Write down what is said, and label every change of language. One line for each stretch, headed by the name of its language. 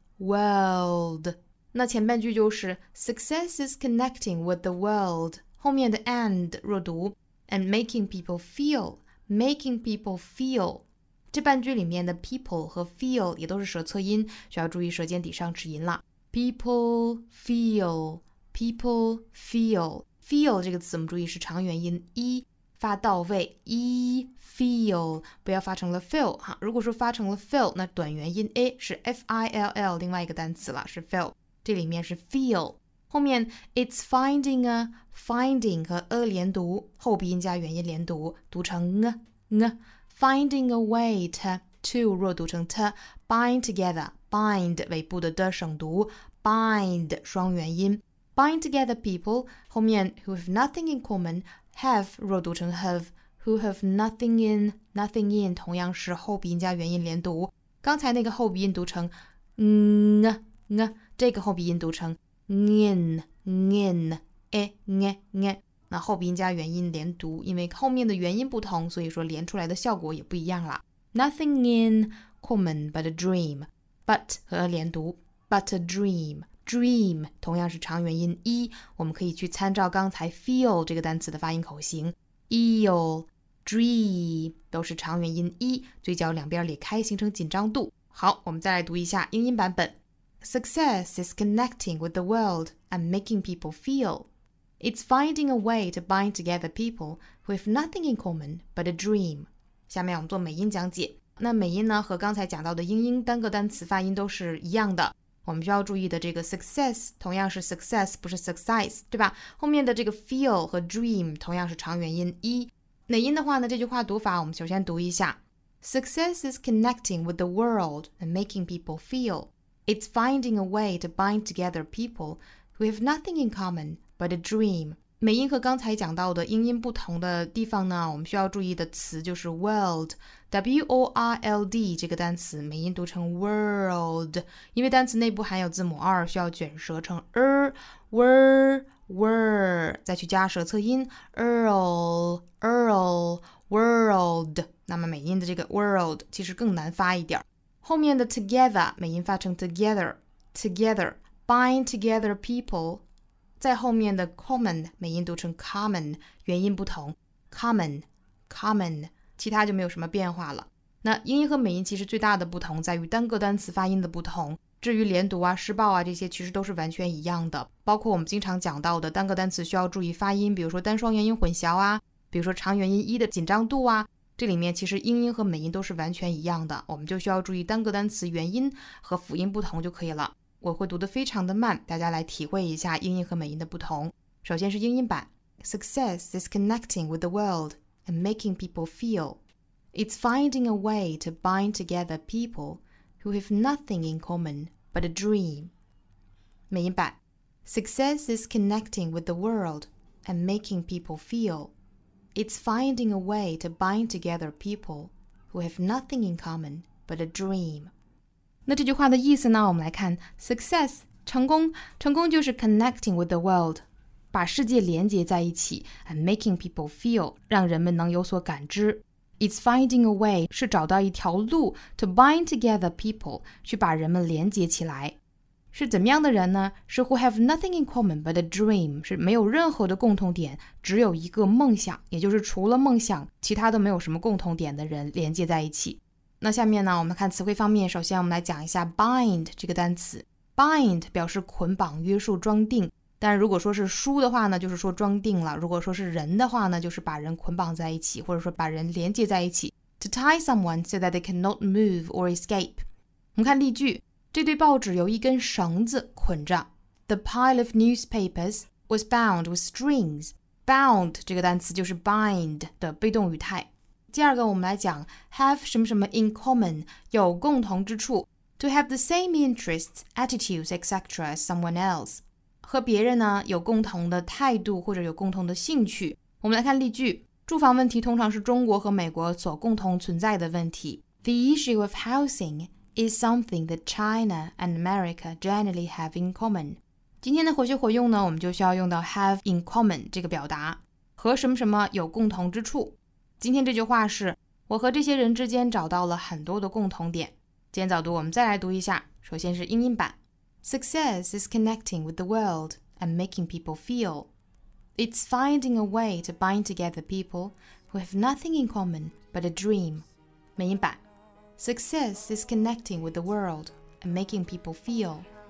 English: world
Chinese: 那前半句就是
English: Success is connecting with the world
Chinese: 后面的
English: and 若读And making people feel, making people feel.
Chinese: 这半句里面的 people 和 feel 也都是舌侧音，需要注意舌尖底上齿音了。
English: People feel, people feel.
Chinese: Feel 这个词我们注意是长元音 e 发到位 e feel 不要发成了 feel 哈。如果说发成了 feel， 那短元音 a 是 f I l l 另外一个单词了，是 feel。这里面是 feel。后面
English: it's finding a finding
Chinese: 和 a 连读后鼻音加元音连读读成 ng, ng
English: finding a way to
Chinese: 若读成 t bind together bind 尾部的的省读 bind 双元音
English: bind together people
Chinese: 后面
English: who have nothing in common
Chinese: have 若读成 have who have nothing in nothing in 同样是后鼻音加元音连读刚才那个后鼻音读成 ng, ng 这个后鼻音读成Nin, nin, eh, nge, nge. 那后鼻音加元音连读，因为后面的元音不同，所以说连出来的效果也不一样了。
English: Nothing in common but a dream. But
Chinese: 和连读
English: ，but a dream, dream 同样是长元音 e.
Chinese: 我们可以去参照刚才 feel 这个单词的发音口型 ，eel, dream 都是长元音 e， 嘴角两边裂开，形成紧张度。好，我们再来读一下英音版本。
English: Success is connecting with the world and making people feel. It's finding a way to bind together people who have nothing in common but a dream.
Chinese: 下面我们做美音讲解。那美音呢和刚才讲到的英音单个单词发音都是一样的。我们需要注意的这个 success 同样是 success 不是 success, 对吧？后面的这个 feel 和 dream 同样是长元音 e。美音的话呢这句话读法我们首先读一下。
English: Success is connecting with the world and making people feel. It's finding a way to bind together people who have nothing in common but a dream.
Chinese: 美音和刚才讲到的英音不同的地方呢，我们需要注意的词就是 world, W-O-R-L-D 这个单词，美音读成 world, 因为单词内部含有字母 R, 需要卷舌成 r, wr, wr, 再去加舌侧音 earl, earl, world. 那么美音的这个 world 其实更难发一点。后面的 together 美音发成 together together
English: bind together people
Chinese: 在后面的 common 美音读成 common 元音不同 common common 其他就没有什么变化了那英音和美音其实最大的不同在于单个单词发音的不同，至于连读啊、试爆啊这些其实都是完全一样的，包括我们经常讲到的单个单词需要注意发音，比如说单双元音混淆啊，比如说长元音一的紧张度啊，这里面其实英音和美音都是完全一样的，我们就需要注意单个单词元音和辅音不同就可以了。我会读得非常的慢，大家来体会一下英音和美音的不同。首先是英音版。
English: Success is connecting with the world and making people feel. It's finding a way to bind together people who have nothing in common but a dream.
Chinese: 美音版。
English: Success is connecting with the world and making people feel. It's finding a way to bind together people who have nothing in common but a dream.
Chinese: 那这句话的意思呢，我们来看 success 成功，成功就是
English: connecting with the world，
Chinese: 把世界连接在一起，
English: and making people feel，
Chinese: 让人们能有所感知。
English: It's finding a way
Chinese: 是找到一条路，
English: to bind together people
Chinese: 去把人们连接起来。是怎么样的人呢？是
English: who have nothing in common but a dream，
Chinese: 是没有任何的共同点，只有一个梦想，也就是除了梦想其他都没有什么共同点的人连接在一起。那下面呢，我们看词汇方面，首先我们来讲一下 bind 这个单词。 bind 表示捆绑、约束、装订，但如果说是书的话呢，就是说装订了，如果说是人的话呢，就是把人捆绑在一起，或者说把人连接在一起。
English: To tie someone so that they cannot move or escape.
Chinese: 我们看例句，这对报纸由一根绳子捆着。
English: The pile of newspapers was bound with strings.
Chinese: Bound 这个单词就是 bind 的被动语态。第二个我们来讲 have 什么什么 in common， 有共同之处。
English: To have the same interests, attitudes, etc. as someone else，
Chinese: 和别人呢有共同的态度或者有共同的兴趣。我们来看例句，住房问题通常是中国和美国所共同存在的问题。
English: The issue of housing is something that China and America generally have in common。
Chinese: 今天的活学活用呢，我们就需要用到 have in common 这个表达，和什么什么有共同之处。今天这句话是，我和这些人之间找到了很多的共同点。今天早读，我们再来读一下。首先是英音版。
English: Success is connecting with the world and making people feel. It's finding a way to bind together people who have nothing in common but a dream.
Chinese: 美音版。
English: Success is connecting with the world and making people feel.